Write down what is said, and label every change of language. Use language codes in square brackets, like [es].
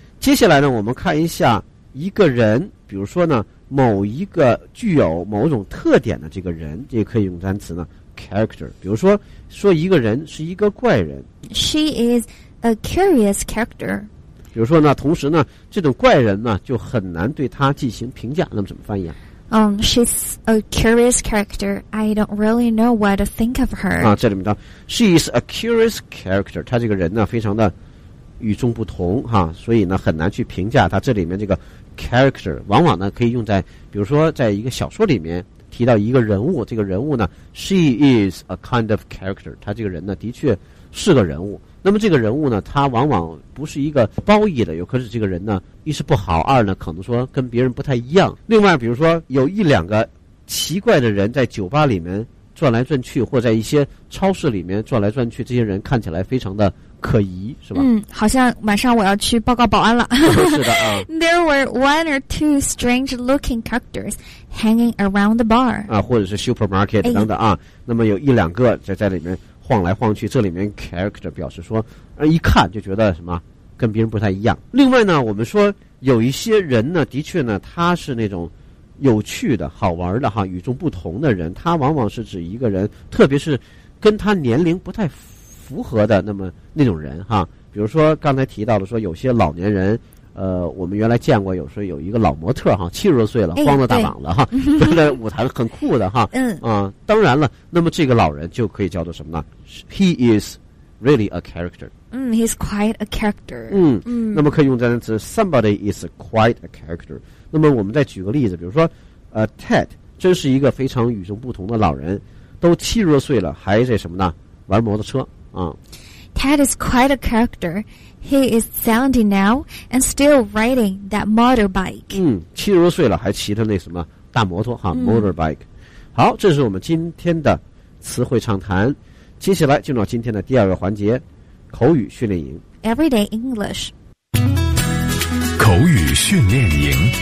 [zh] 接下来呢，我们看一下一个人，比如说呢，某一个具有某种特点的这个人，也可以用单词呢 ，character。比如说，说一个人是一个怪人。 [en] She is a curious character。 [zh] 比如说呢，同时呢，这种怪人呢就很难对他进行评价，那么怎么翻译啊？ [en] She's a curious character. I don't really know what to think of her. 啊，这里面的 She is a curious character. [zh] 他这个人呢非常的与众不同哈、啊，所以呢很难去评价他。这里面这个 character 往往呢可以用在，比如说在一个小说里面提到一个人物，这个人物呢 [en] She is a kind of character. [zh] 他这个人呢的确是个人物。那么这个人物呢，他往往不是一个褒义的，有可是这个人呢，一是不好，二呢可能说跟别人不太一样。另外，比如说有一两个奇怪的人在酒吧里面转来转去，或在一些超市里面转来转去，这些人看起来非常的可疑，是吧？嗯，好像马上我要去报告保安了。是的啊。 [en] There were one or two strange-looking characters hanging around the bar. [zh] 啊，或者是 supermarket 等等啊。哎、那么有一两个在里面。晃来晃去，这里面 character 表示说，一看就觉得什么跟别人不太一样。另外呢，我们说有一些人呢，的确呢，他是那种有趣的、好玩的哈，与众不同的人。他往往是指一个人，特别是跟他年龄不太符合的那么那种人哈。比如说刚才提到了说，有些老年人，我们原来见过，有时候有一个老模特哈，七十多岁了，光着大膀子哈，站在舞台很酷的哈，嗯啊，当然了，那么这个老人就可以叫做什么呢 ？ [en] He is really a character. 嗯 ，he's quite a character. 嗯嗯，那么可以用单词 somebody is quite a character. [zh] 那么我们再举个例子，比如说，Ted 真是一个非常与众不同的老人，都七十多岁了，还在什么呢？玩摩托车啊。 [en] Ted is quite a character. He is 70 now and still riding that motorbike. [zh] 嗯，七十多岁了还骑着那什么大摩托哈、嗯、 [en] ，motorbike。 [zh] 好，这是我们今天的词汇畅谈。接下来进入到今天的第二个环节，口语训练营。 [en] Everyday English. [zh] 口语训练营。